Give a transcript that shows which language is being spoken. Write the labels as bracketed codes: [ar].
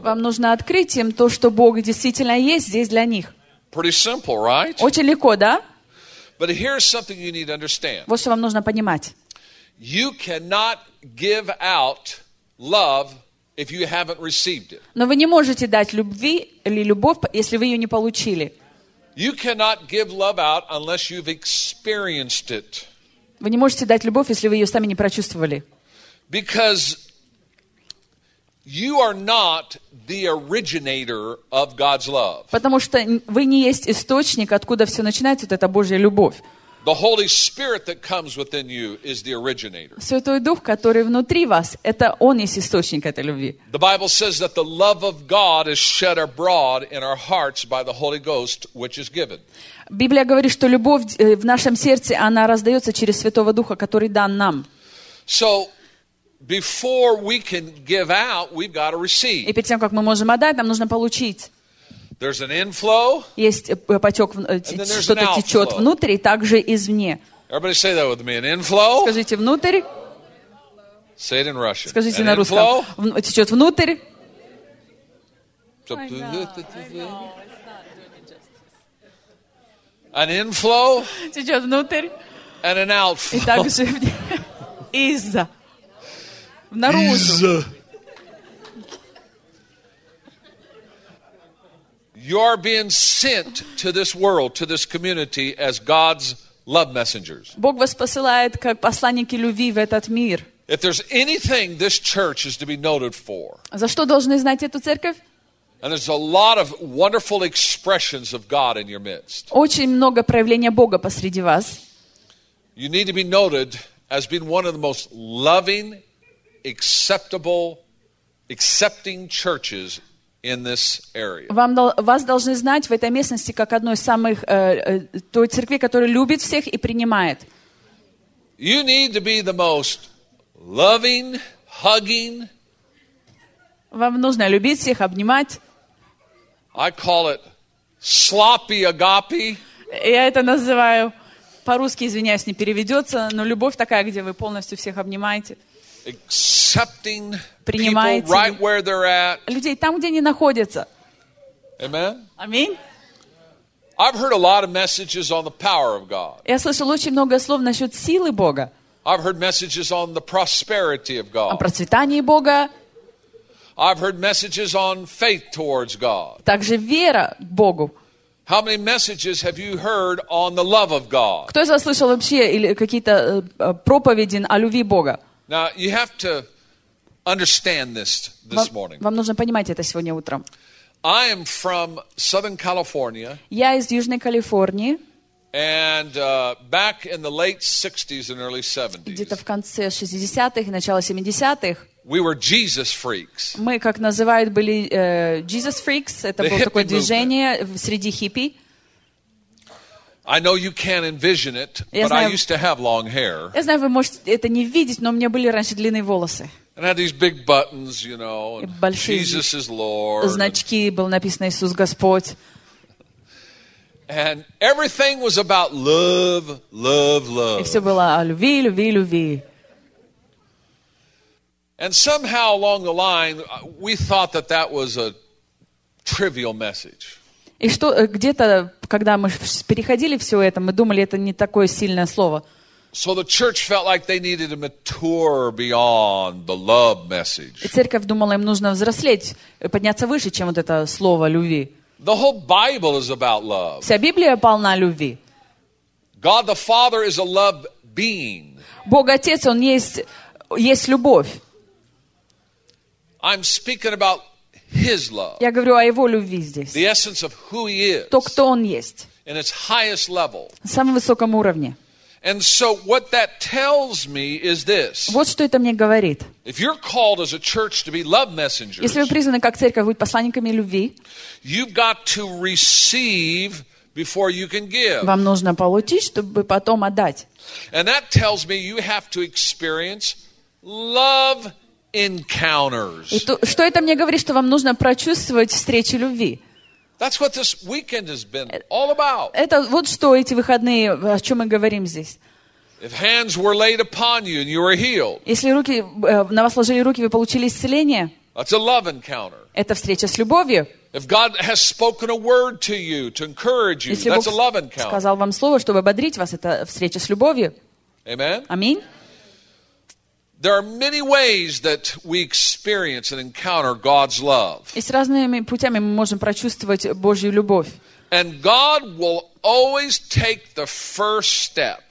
[ru] Вам нужно открыть им то, что Бог действительно есть здесь для них. [en] Pretty simple, right? [ru] Очень легко, да? [en] But here's something you need to understand. [ru] Вот что вам нужно понимать. [en] You cannot give out love if you haven't received it. [ru] Но вы не можете дать любви или любовь, если вы ее не получили. [en] You cannot give love out unless you've experienced it. [ru] Вы не можете дать любовь, если вы ее сами не прочувствовали. [en] Because you are not the originator of God's love. [ru] Потому что вы не есть источник, откуда все начинается, вот эта Божья любовь. [en] The Holy Spirit that comes within you is the originator. [ru] Святой Дух, который внутри вас, это он есть источник этой любви. [en] The Bible says that the love of God is shed abroad in our hearts by the Holy Ghost, which is given. [ru] Библия говорит, что любовь в нашем сердце, она раздается через Святого Духа, который дан нам. [en] So before we can give out, we've got to receive. [ru] И перед тем, как мы можем отдать, нам нужно получить. [en] There's an inflow. [ru] Есть поток, что-то течет внутрь, также извне. [en] Everybody say that with me. An inflow. [ru] Скажите внутрь. [en] Say it in Russian. [ru] Скажите на русском. Течет внутрь. [en] I know. It's not doing justice. An inflow. [ru] Течет внутрь. [en] And an outflow. [ru] И также из-за. Наружу. [en] You are being sent to this world, to this community, as God's love messengers. [ru] Бог вас посылает как посланники любви в этот мир. [en] If there's anything this church is to be noted for. [ru] За что должны знать эту церковь? [en] And there's a lot of wonderful expressions of God in your midst. [ru] Очень много проявления Бога посреди вас. [en] You need to be noted as being one of the most loving, acceptable, accepting churches. In this area. [ru] Вам вас должны знать в этой местности как одной из самых той церкви, которая любит всех и принимает. [en] You need to be the most loving, hugging. [ru] Вам нужно любить всех, обнимать. [en] I call it sloppy agape. [ru] Я это называю по-русски, извиняюсь, не переведется, но любовь такая, где вы полностью всех обнимаете. [en] Accepting people right where they're at. [ru] Людей там, где они находятся. [en] Amen. [ru] Аминь. [en] I've heard a lot of messages on the power of God. [ru] Я слышал очень много слов насчет силы Бога. [en] I've heard messages on the prosperity of God. [ru] О процветании Бога. [en] I've heard messages on faith towards God. [ru] Также вера к Богу. [en] How many messages have you heard on the love of God? [ru] Кто из вас слышал вообще или какие-то проповеди о любви Бога? [en] Now you have to understand this morning. [ru] Вам нужно понимать это сегодня утром. [en] I am from Southern California. [ru] Я из Южной Калифорнии. [en] And back in the late 60s and early 70s. [ru] Где-то в конце 60-х и начало 70-х. [en] We were Jesus freaks. [ru] Мы, как называют, были [en] Jesus freaks. [ru] Это было такое движение среди хиппи. [en] I know you can't envision it, but I used to have long hair. [ru] Я знаю, вы можете это не видеть, но у меня были раньше длинные волосы. [en] And I had these big buttons, you know. Jesus is Lord. [ru] Значки было написано Иисус Господь. [en] And everything was about love, love, love. [ru] И все было о любви, любви, любви. [en] And somehow along the line, we thought that that was a trivial message. [ru] И что где-то, когда мы переходили все это, мы думали, это не такое сильное слово. [en] So the church felt like they needed to mature beyond the love message. [ru] И церковь думала, им нужно взрослеть, подняться выше, чем вот это слово любви. [en] The whole Bible is about love. [ru] Вся Библия полна любви. [en] God the Father is a love being. [ru] Бог Отец, Он есть любовь. [en] I'm speaking about His love. [ru] Я говорю о его любви здесь. [en] The essence of who he is. [ru] То, кто он есть. [en] In its highest level. [ru] На самом высоком уровне. [en] And so what that tells me is this. [ru] Вот что это мне говорит. [en] If you're called as a church to be love messengers. [ru] Если вы призваны как церковь быть посланниками любви. [en] You've got to receive before you can give. [ru] Вам нужно получить, чтобы потом отдать. [en] And that tells me you have to experience love. Encounters. [ru] Что это мне говорит, что вам нужно прочувствовать встречи любви? [en] That's what this weekend has been all about. [ru] Это вот что эти выходные, о чем мы говорим здесь. [en] If hands were laid upon you and you were healed. [ru] Если руки на вас ложили руки, вы получили исцеление. [en] That's a love encounter. [ru] Это встреча с любовью. [en] If God has spoken a word to you to encourage you, that's a love encounter. [ru] Если Бог сказал вам слово, чтобы ободрить вас, это встреча с любовью. [en] Amen. [ru] Аминь. [en] There are many ways that we experience and encounter God's love. [ru] И с разными путями мы можем прочувствовать Божью любовь. [en] And God will always take the first step.